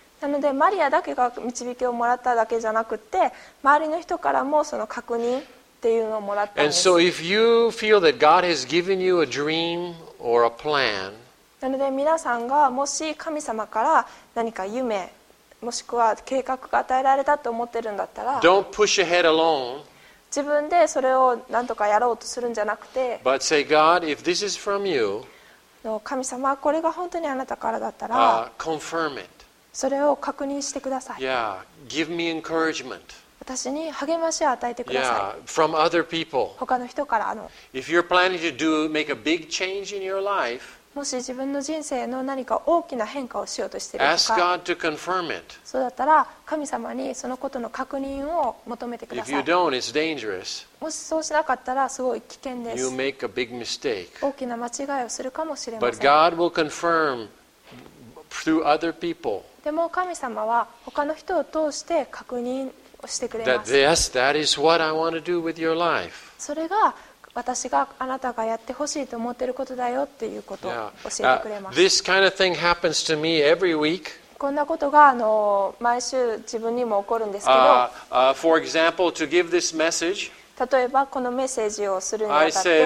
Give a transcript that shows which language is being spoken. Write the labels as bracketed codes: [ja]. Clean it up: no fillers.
[ja] なのでマリアだけが導きをもらっただけじゃなくて周りの人からもその確認っていうのをもらったんです。 [en] And so if you feel that God has given you a dream or a plan, [ja] なので皆さんがもし神様から何か夢もしくは計画が与えられたと思ってるんだったら、 [en] Don't push ahead alone, [ja] 自分でそれを何とかやろうとするんじゃなくて、 [en] But say, God, if this is from you, [ja] 神様これが本当にあなたからだったら、 [en] confirm it. [ja] それを確認してください。 [en] Yeah, give me encouragement. [ja] 私に励ましを与えてください。 [en] Yeah, from other people. [ja] 他の人からの。 [en] If you're planning to make a big change in your life, [ja] もし自分の人生の何か大きな変化をしようとしているとか、 [en] ask God to confirm it. [ja] そうだったら神様にそのことの確認を求めてください。 [en] If you don't, it's dangerous. [ja] もしそうしなかったらすごい危険です。 [en] You make a big mistake. [ja] 大きな間違いをするかもしれません。 [en] But God will confirm through other people. [ja] でも神様は他の人を通して確認をしてくれます。 [en] That, yes, that is what I want to do with your life. [ja] それが私があなたがやってほしいと思っていることだよっていうことを教えてくれます。 [en] Yeah. This kind of thing happens to me every week. [ja] こんなことが毎週自分にも起こるんですけど。 [en] For example, to give this message, [ja] 例えばこのメッセージをするにあたって、